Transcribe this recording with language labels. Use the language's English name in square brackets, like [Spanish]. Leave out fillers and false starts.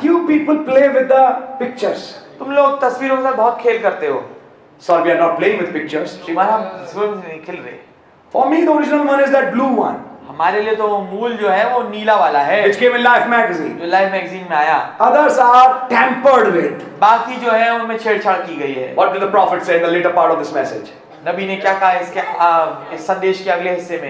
[English] You people play with the pictures. [Hindi] तुम लोग तस्वीरों के साथ बहुत खेल करते हो. [English] Sir, we are not playing with pictures. [Hindi] श्रीमान हम तस्वीरों से नहीं खेल रहे. [English] For me, the original one is that blue one. [Hindi] हमारे लिए तो मूल जो है वो नीला वाला है [English] Which came in Life magazine. [Hindi] जो Life magazine में आया [English] Others are tampered with. [Hindi] बाकी जो है उनमें छेड़छाड़ की गई है [English] What did the prophet say in the later part of this message? [Hindi] नबी ने क्या कहा इसके इस संदेश के अगले हिस्से में